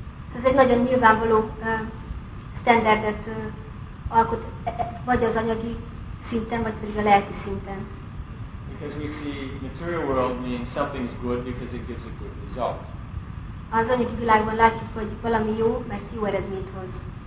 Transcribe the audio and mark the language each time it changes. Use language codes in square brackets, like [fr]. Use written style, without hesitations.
[hu] So ez egy nagyon nyilvánvaló standardet alkot, vagy az anyagi szinten, vagy pedig a lelki szinten. [en] Because we see material world means something is good because it gives a good result. [hu] Az anyagi világban látjuk, hogy valami jó, mert jó eredményt hoz.